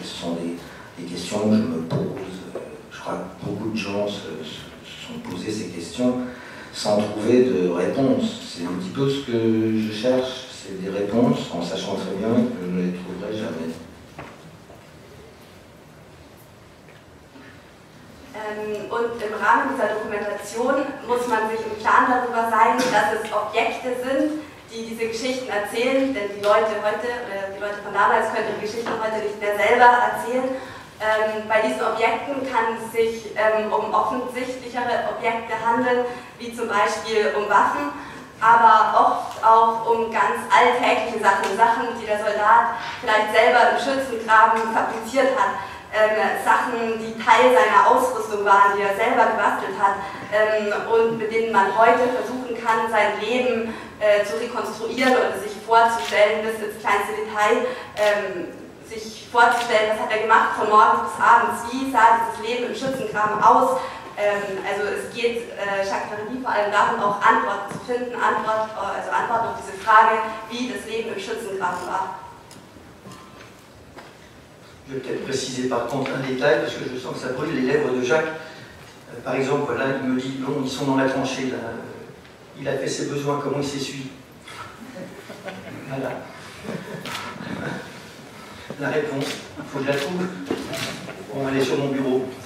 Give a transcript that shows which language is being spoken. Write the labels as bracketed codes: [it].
[fr] Ce sont des questions que je me pose. Je crois que beaucoup de gens se sont posés ces questions sans trouver de réponse. C'est un petit peu ce que je cherche, c'est des réponses, en sachant très bien que je ne les trouverai jamais. [de] Und im Rahmen dieser Dokumentation muss man sich im Klaren darüber sein, dass es Objekte sind, die diese Geschichten erzählen, denn die Leute heute, die Leute von damals können die Geschichten heute nicht mehr selber erzählen. Bei diesen Objekten kann es sich um offensichtlichere Objekte handeln, wie zum Beispiel um Waffen, aber oft auch um ganz alltägliche Sachen, Sachen, die der Soldat vielleicht selber im Schützengraben fabriziert hat. Sachen, die Teil seiner Ausrüstung waren, die er selber gebastelt hat und mit denen man heute versuchen kann, sein Leben zu rekonstruieren oder sich vorzustellen, bis ins kleinste Detail, sich vorzustellen, was hat er gemacht von morgens bis abends, wie sah dieses Leben im Schützengraben aus. Also es geht Jacques Tardy vor allem darum, auch Antworten zu finden, Antworten auf diese Frage, wie das Leben im Schützengraben war. [fr] Je vais peut-être préciser par contre un détail, parce que je sens que ça brûle les lèvres de Jacques. Par exemple, voilà, il me dit, bon, ils sont dans la tranchée, là. Il a fait ses besoins, comment il s'essuie? Voilà. La réponse, il faut que je la trouve. Bon, elle est sur mon bureau.